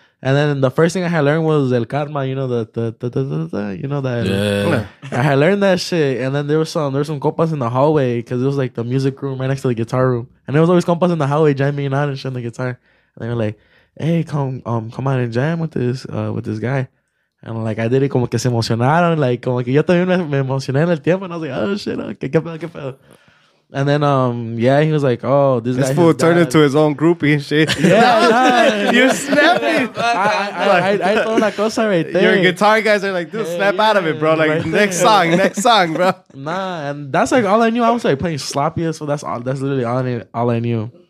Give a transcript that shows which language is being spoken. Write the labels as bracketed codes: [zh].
[en] And then the first thing I had learned was El Karma, you know, you know that. Yeah. I had learned that shit. And then there was some compas in the hallway because it was like the music room right next to the guitar room. And there was always compas in the hallway jamming out and shit on the guitar. And they were like, hey, come on and jam with this guy. And like, I did it [es] como que se emocionaron. Like, como que yo también me emocioné en el tiempo. [en] And I was like, oh shit, okay, [es] qué pedo. [en] And then, yeah, he was like, oh, this guy. This fool turned into his own groupie and shit. Yeah, yeah. You're snapping. I throw [es] una cosa [en] right there. Your guitar guys are like, dude, snap out of it, bro. Like, right next there. Song, next song, bro. Nah, and that's like all I knew. I was like playing sloppy, so that's literally all I knew.